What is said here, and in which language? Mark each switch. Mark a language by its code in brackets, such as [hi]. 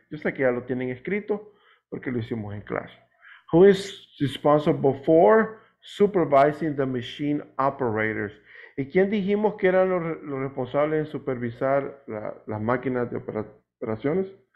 [es] Yo sé que ya lo tienen escrito porque lo hicimos en clase. [en] Who is responsible for supervising the machine operators? [es] ¿Y quién dijimos que eran los responsables en supervisar las máquinas de operaciones?